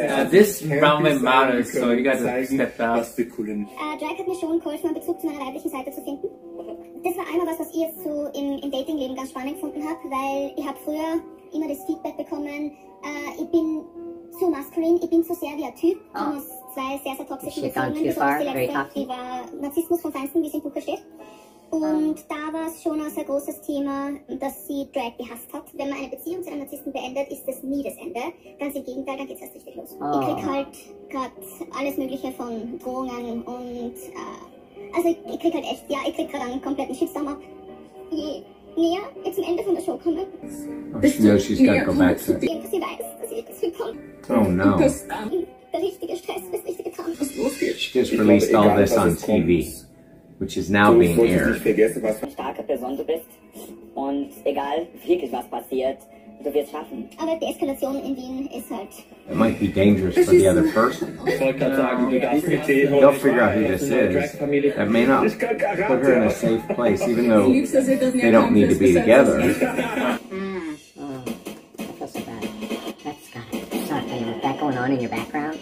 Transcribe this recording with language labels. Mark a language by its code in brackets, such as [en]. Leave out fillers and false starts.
[en] This runway matters, so you gotta step out. [de] Drag hat mir schon geholfen, einen Bezug zu meiner weiblichen Seite zu finden. Das war einmal was, was ich jetzt so im Dating-Leben ganz spannend gefunden habe, weil ich habe früher immer das Feedback bekommen, ich bin zu maskulin, ich bin zu sehr wie ein Typ. Ich muss zwei sehr, sehr toxische Beziehungen, besonders die letzte, die war Narzissmus vom Feinsten, wie es im Buch steht. Und da war es schon auch ein großes Thema, dass sie Drag gehasst hat. Wenn man eine Beziehung zu einem Narzissten beendet, ist das nie das Ende. Ganz im Gegenteil, dann geht es erst richtig los. Oh. Ich krieg halt gerade alles Mögliche von Drohungen und ich krieg gerade einen kompletten Shitstorm ab. Je näher ich zum Ende von der Show komme, der richtige Stress, das richtige Traum. [en] She just released all this on TV. Which is now being aired. [de] Starke Person du bist und egal wirklich was passiert, du wirst schaffen. Aber die Eskalation in Wien ist halt. [en] It might be dangerous for the other person. They'll figure out who this is. That may not put her in a safe place, even though they don't need to be together. I feel so bad. That's kind of not funny with that going on in your background.